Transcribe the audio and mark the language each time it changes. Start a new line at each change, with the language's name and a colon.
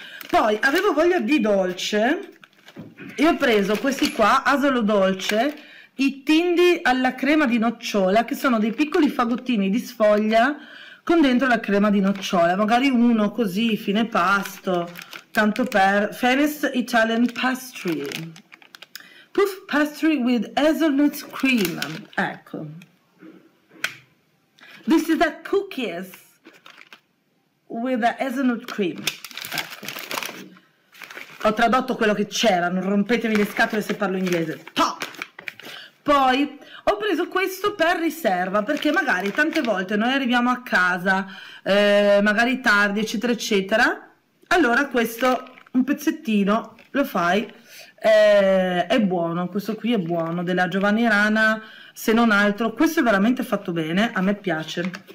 Italian: Poi avevo voglia di dolce e ho preso questi qua, Asolo Dolce, i tindi alla crema di nocciola, che sono dei piccoli fagottini di sfoglia con dentro la crema di nocciola, magari uno così fine pasto, tanto per.
English: Fenes Italian Pastry, puff pastry with hazelnut cream,
Italian: ecco,
English: this is a cookies with a hazelnut cream.
Italian: Ecco, ho tradotto quello che c'era, non rompetemi le scatole se parlo inglese. Poi ho preso questo per riserva, perché magari tante volte noi arriviamo a casa, magari tardi, eccetera, eccetera, allora questo un pezzettino lo fai, è buono, questo qui è buono, della Giovanni Rana, se non altro, questo è veramente fatto bene, a me piace.